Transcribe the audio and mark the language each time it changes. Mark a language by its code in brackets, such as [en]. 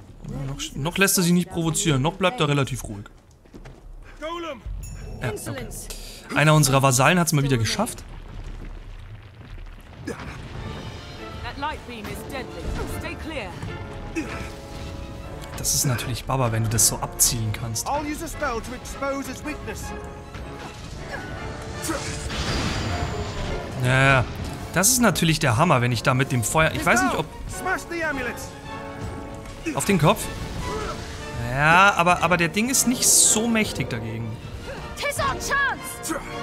[de] Ja, noch lässt er sich nicht provozieren, noch bleibt er relativ ruhig. Ja, okay. Einer unserer Vasallen hat es mal wieder geschafft. Das ist natürlich Baba, wenn du das so abziehen kannst. [en] I'll use a spell to expose his weakness. [de] Naja, das ist natürlich der Hammer, wenn ich da mit dem Feuer... Ich weiß nicht, ob... [en] Smash the amulet. [de] Auf den Kopf? Ja, aber der Ding ist nicht so mächtig dagegen. [en] Tis our chance.